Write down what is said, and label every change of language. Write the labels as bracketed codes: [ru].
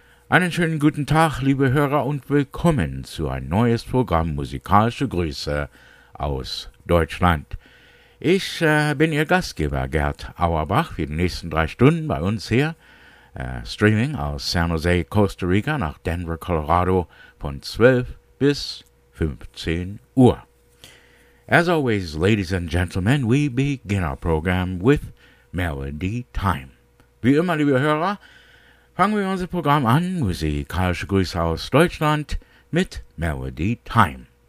[de] Einen schönen guten Tag, liebe Hörer, und willkommen zu ein neues Programm Musikalische Grüße aus Deutschland. Ich bin Ihr Gastgeber, Gerd Auerbach, für die nächsten 3 Stunden bei uns hier, streaming aus San Jose, Costa Rica nach Denver, Colorado, von 12 bis 15 Uhr. [en] As always, ladies and gentlemen, we begin our program with Melody Time. [de] Wie immer, liebe Hörer, fangen wir unser Programm an, musikalische Grüße aus Deutschland, mit Melody Time.